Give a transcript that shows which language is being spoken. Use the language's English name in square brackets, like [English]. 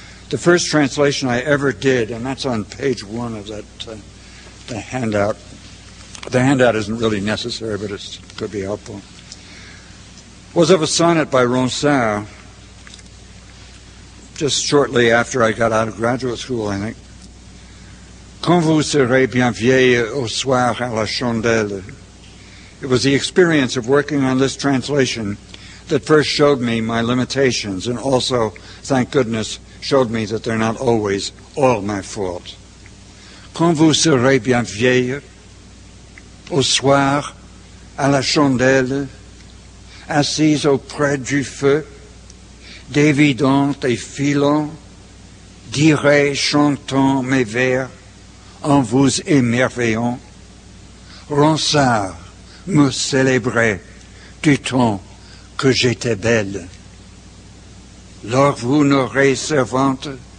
[English] The first translation I ever did, and that's on page one of that the handout. The handout isn't really necessary, but it could be helpful, was of a sonnet by Ronsard just shortly after I got out of graduate school, I think. [French] Quand vous serez bien vieille au soir à la chandelle. [English] It was the experience of working on this translation that first showed me my limitations, and also, thank goodness, showed me that they're not always all my fault. [French] Quand vous serez bien vieille, au soir, à la chandelle, assise auprès du feu, dévidant et filant, direz chantant mes vers en vous émerveillant, Ronsard me célébrait du temps que j'étais belle. Lors vous n'aurez servante,